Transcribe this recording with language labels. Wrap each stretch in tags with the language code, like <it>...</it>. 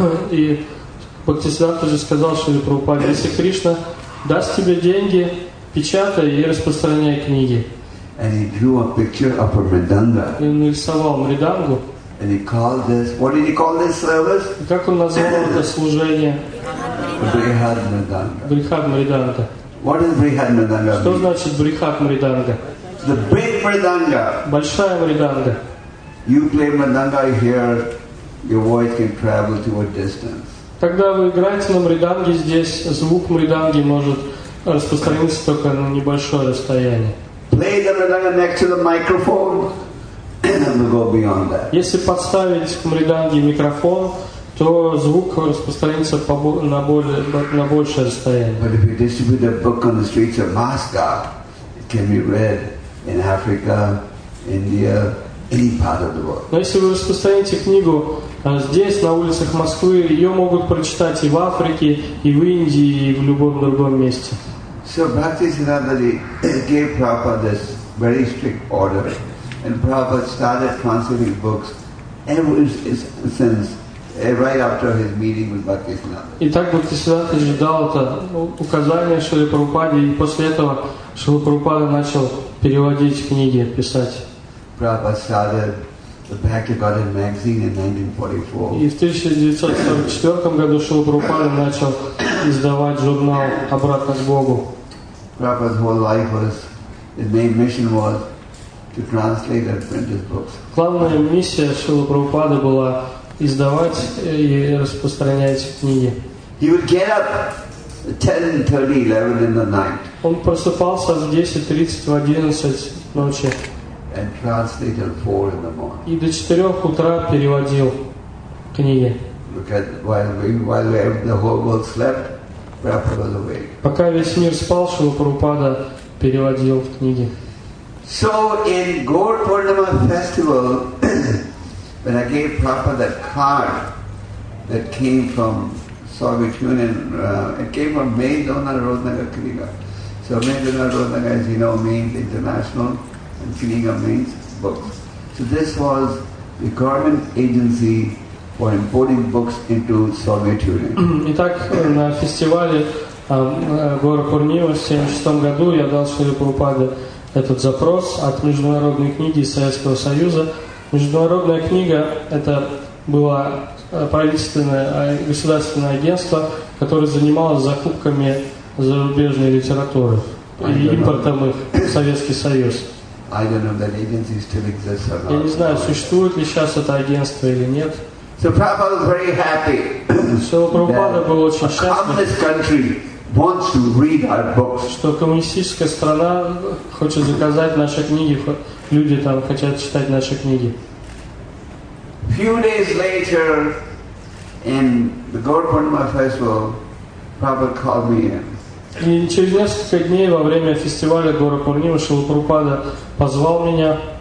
<ru>И Бхактисиддханта же сказал Шриле Прабхупаде, если Кришна даст тебе деньги, печатай и распространяй книги.</ru> <en>And he drew a picture of a mridanga.</en> <ru>И он нарисовал мридангу.</ru> <en>And he called this, what did he call this service?</en> <ru>И как он назвал это служение? Брихад мриданга. Брихад мриданга.</ru> <en>What is брихад мриданга?</en> <ru>Что значит брихад мриданга?</ru> <en>The big mridanga.</en> <ru>Большая мриданга.</ru> <en>You play mridanga here, your voice can travel to a distance.</en> <ru>Когда вы играете на мриданге здесь, звук мриданги может распространиться только на небольшое расстояние.</ru> <en>Play the mridanga next to the microphone, and then we'll go beyond that.</en> <ru>Если подставить к мриданге микрофон, то звук распространится на большее расстояние.</ru> <en>But if you distribute the book on the streets of Moscow, it can be read in Africa, India, any part of the world.</en> <ru>Но если вы распространите книгу здесь, на улицах Москвы, ее могут прочитать и в Африке, и в Индии, и в любом другом месте.</ru> <en>So Bhaktisiddhanta gave Prabhupada this very strict order, and Prabhupada started translating books ever since, right after his meeting with Bhaktisiddhanta.</en> <ru>И так Бхактисиддханта же дал это указание Шриле Прабхупаде, и после этого Шрила Прабхупада начал переводить книги, писать.</ru> <en>Prabhupada started the Bhaktivedanta magazine in 1944.</en> <ru>И в 1944 году Шрила Прабхупада начал издавать журнал «Обратно к Богу».</ru> <en>Prabhupada's whole life was, his main mission was to translate and print his books.</en> <ru>Главная миссия Шрилы Прабхупады была издавать и распространять книги.</ru> <en>He would get up at 10:30, 11 in the night.</en> <ru>Он просыпался в 10:30, в 11 ночи.</ru> <en>And translated at 4 in the morning.</en> <ru>И до 4 утра переводил книги.</ru> <en>While the whole world slept, Prabhupada was awake.</en> <ru>Пока весь мир спал, Шрила Прабхупада переводил в книги.</ru> <en>So in Gaur Purnima festival, when I gave Prabhupada that card that came from Soviet Union, it came from Main Donar Rodnagar Kniga. So Main Donar Rodnagar, as you know, means international. And Kniga means books. So this was the government agency for importing books into Soviet Union.</en> <ru>Итак, на фестивале Гора Пурнива в 76 году я дал Шриле Прабхупаде этот запрос от международной книги Советского Союза. Международная книга — это было правительственное государственное агентство, которое занималось закупками зарубежной литературы и импортом их в Советский Союз.</ru> <en>I don't know if that agency still exists or not.</en> <ru>Я не знаю, существует ли сейчас это агентство или нет.</ru> <en>So Prabhupada was very happy.</en> <ru>So Prabhupada был очень счастлив.</ru> <en>A communist country wants to read our books.</en> <ru>Что коммунистическая страна хочет заказать наши книги, люди там хотят читать наши книги.</ru> <en>Few days later, in the Gaura Purnima festival, Prabhupada called me in.</en> <ru>И через несколько дней во время фестиваля Гора Пурнима Шрила Прабхупада позвал меня.</ru>